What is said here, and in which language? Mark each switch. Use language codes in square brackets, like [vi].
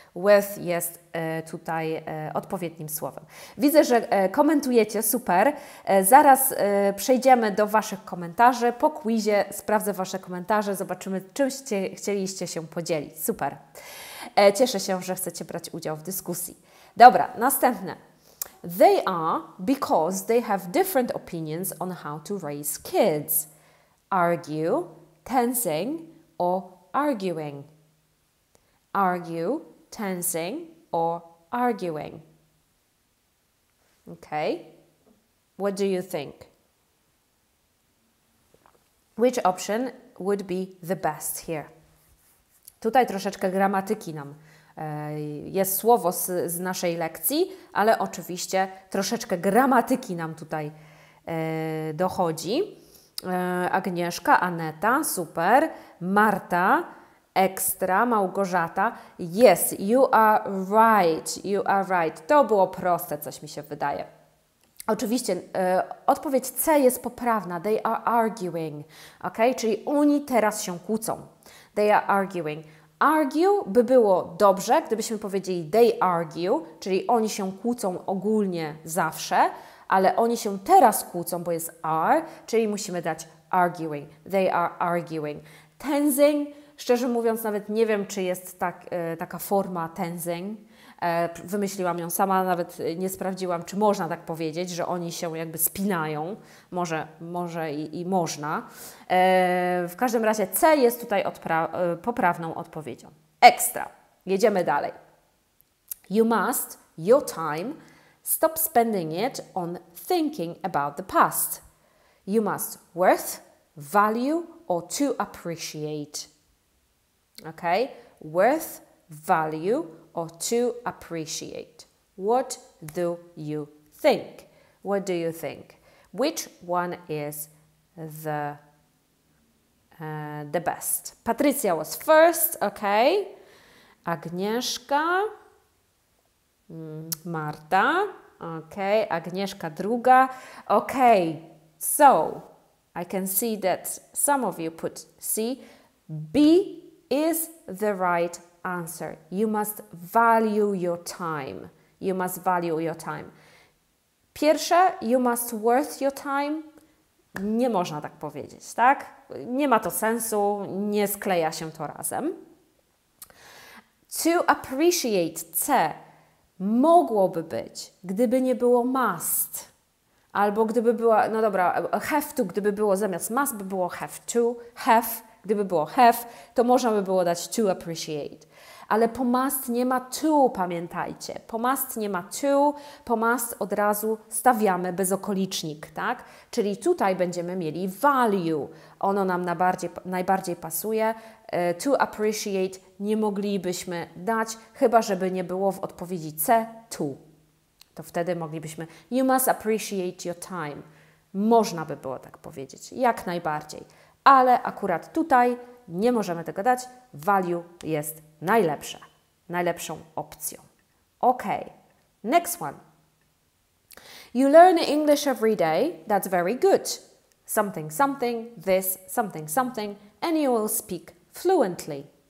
[pl] Worth jest tutaj odpowiednim słowem. Widzę, że komentujecie, super. Zaraz przejdziemy do Waszych komentarzy. Po quizie sprawdzę Wasze komentarze, zobaczymy, czym chcieliście się podzielić. Super. Cieszę się, że chcecie brać udział w dyskusji. Dobra, następne. [en] They are because they have different opinions on how to raise kids. Argue, tensing or arguing. Argue, tensing or arguing. Okay, what do you think? Which option would be the best here? [pl] Tutaj troszeczkę gramatyki nam. Jest słowo z naszej lekcji, ale oczywiście troszeczkę gramatyki nam tutaj dochodzi. Agnieszka, Aneta, super. Marta, ekstra, Małgorzata. [en] Yes, you are right, you are right. [pl] To było proste, coś mi się wydaje. Oczywiście odpowiedź C jest poprawna. [en] They are arguing, ok? [pl] Czyli oni teraz się kłócą. [en] They are arguing. [pl] Argue by było dobrze, gdybyśmy powiedzieli [en] they argue, [pl] czyli oni się kłócą ogólnie zawsze, ale oni się teraz kłócą, bo jest are, czyli musimy dać arguing. [en] They are arguing. [pl] Tensing, szczerze mówiąc, nawet nie wiem, czy jest taka forma tensing. Wymyśliłam ją sama, nawet nie sprawdziłam, czy można tak powiedzieć, że oni się jakby spinają. Może i można. W każdym razie C jest tutaj poprawną odpowiedzią. Ekstra. Jedziemy dalej. [en] You must, your time, stop spending it on thinking about the past. You must worth, value or to appreciate. Okay, worth, value, or to appreciate. What do you think? What do you think? Which one is the best? Patrycja was first, okay. Agnieszka, Marta, okay. Agnieszka [pl] druga, [en] okay. So, I can see that some of you put C. B is the right answer. You must value your time. You must value your time. [pl] Pierwsze, [en] you must worth your time. [pl] Nie można tak powiedzieć, tak? Nie ma to sensu, nie skleja się to razem. To appreciate C mogłoby być, gdyby nie było must. Albo gdyby była, no dobra, have to, gdyby było zamiast must, by było have to, have, gdyby było have, to można by było dać to appreciate. Ale po must nie ma to, pamiętajcie. Po must nie ma to, po must od razu stawiamy bezokolicznik, tak? Czyli tutaj będziemy mieli value. Ono nam najbardziej pasuje. To appreciate nie moglibyśmy dać, chyba żeby nie było w odpowiedzi C, to. To wtedy moglibyśmy, [en] you must appreciate your time. [pl] Można by było tak powiedzieć, jak najbardziej. Ale akurat tutaj nie możemy tego dać. Value jest najlepsze, najlepszą opcją. [en] OK, next one. You learn English every day, that's very good. Something, something, this, something, something, and you will speak fluently.